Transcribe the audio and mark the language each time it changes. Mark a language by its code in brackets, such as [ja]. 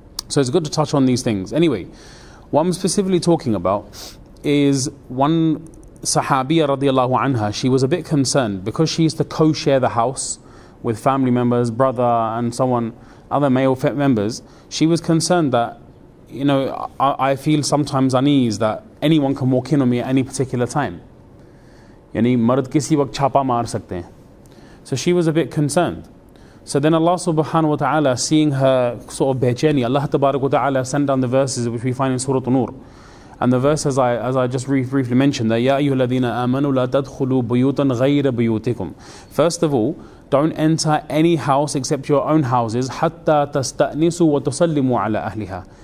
[en] So it's good to touch on these things. Anyway, what I'm specifically talking about is one Sahabiya radiallahu anha. She was a bit concerned because she used to co-share the house with family members, brother and someone, other male members. She was concerned that, you know, I feel sometimes unease that anyone can walk in on me at any particular time. [ur] یعنی مرد کسی وقت چھاپہ مار سکتے ہیں۔ [en] So she was a bit concerned. So then Allah subhanahu wa ta'ala, seeing her sort of bechani, Allah tabarak wa ta'ala sent down the verses which we find in Surah An-Nur. And the verse, as I just briefly mentioned, that, [ar] يَا أَيُّهَا الَّذِينَ آمَنُوا لَا تَدْخُلُوا بُيُوتًا غَيْرَ بُيُوتِكُمْ. [en] First of all, don't enter any house except your own houses, [ar] حَتَّى تَسْتَأْنِسُوا وَتُسَلِّمُوا عَلَىٰ أَهْلِهَا.